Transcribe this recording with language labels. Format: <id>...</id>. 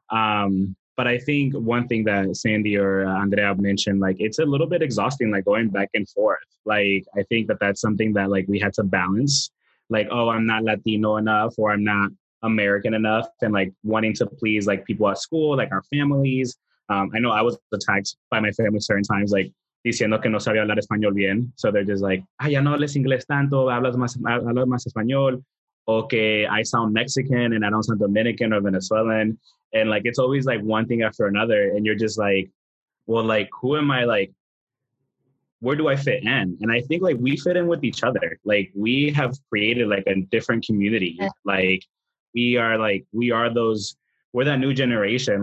<en>But I think one thing that Sandy or Andrea mentioned, like, it's a little bit exhausting, like going back and forth. Like, I think that that's something that like we had to balance, like, oh, I'm not Latino enough, or I'm not American enough, and like wanting to please like people at school, like our families. I know I was attacked by my family certain times, like</en> <es>diciendo que no sabía hablar español bien.</es> <en>So they're just like,</en> <es>ah, ya no hables inglés tanto, hablas más español.</es> <en>Okay, I sound Mexican and I don't sound Dominican or Venezuelan. And like, it's always like one thing after another. And you're just like, well, like, who am I? Like, where do I fit in? And I think like we fit in with each other. Like, we have created like a different community. Like, we're that new generation.</en>